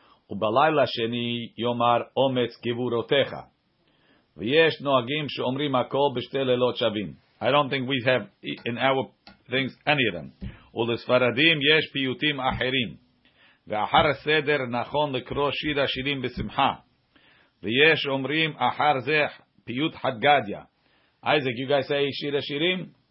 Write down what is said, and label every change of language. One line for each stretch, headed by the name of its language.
Hebrew: ובלילה שני יאמר אומץ גבורותיך. ויש נוהגים שאומרים הכל בשתי לילות שווים.
English: I don't think we have in our things any of them.
Hebrew: ולספרדים יש פיוטים אחרים. ואחר הסדר נכון לקרוא שיר השירים בשמחה. ויש אומרים אחר זה פיוט חגדיה.
English: Isaac, you guys say
Hebrew: שיר השירים?